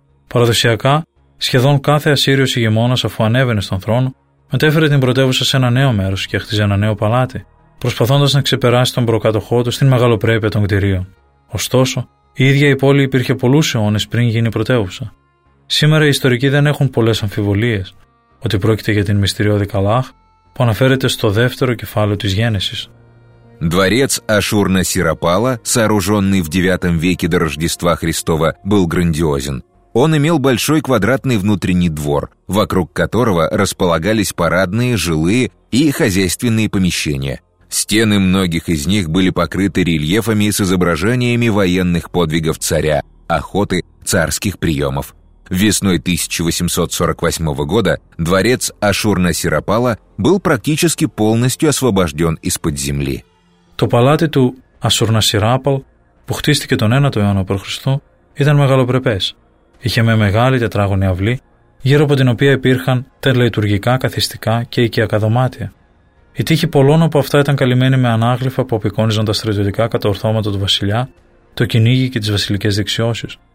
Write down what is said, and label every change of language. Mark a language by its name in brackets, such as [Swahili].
[Greek] Παραδοσιακά, σχεδόν κάθε Ασσύριος ηγεμόνας, αφού ανέβαινε στον θρόνο, μετέφερε την πρωτεύουσα σε ένα νέο μέρος και χτίζε ένα νέο παλάτι, προσπαθώντας να ξεπεράσει τον προκάτοχό του στην μεγαλοπρέπεια των κτηρίων. Ωστόσο, η ίδια η πόλη υπήρχε πολλούς αιώνες πριν γίνει πρωτεύουσα. Σήμερα οι ιστορικοί δεν έχουν πολλές αμφιβολίες ότι πρόκειται για την μυστηριώδη Καλάχ που αναφέρεται στο δεύτερο κεφάλαιο της Γένεσης. [Russian] Дворец Ашшурнасирапала, сооруженный в 9 веке до Рождества Христова, был грандиозен. Он имел большой квадратный внутренний двор, вокруг которого располагались парадные, жилые и хозяйственные помещения. Стены многих из них были покрыты рельефами с изображениями военных подвигов царя, охоты, царских приемов. Весной 1848 года дворец Ашшурнасирапала был практически полностью освобожден из-под земли. [Greek] Το παλάτι του Ασσουρνασιράπαλ, που χτίστηκε τον 9ο αιώνα π.Χ., ήταν μεγαλοπρεπές. Είχε μια μεγάλη τετράγωνη αυλή, γύρω από την οποία υπήρχαν τελετουργικά, καθιστικά και οικιακά δωμάτια. Οι τείχοι πολλών από αυτά ήταν καλυμμένοι με ανάγλυφα που απεικόνιζαν τα στρατιωτικά κατορθώματα του βασιλιά, το κυνήγι και τις βασιλικές δεξιώσεις.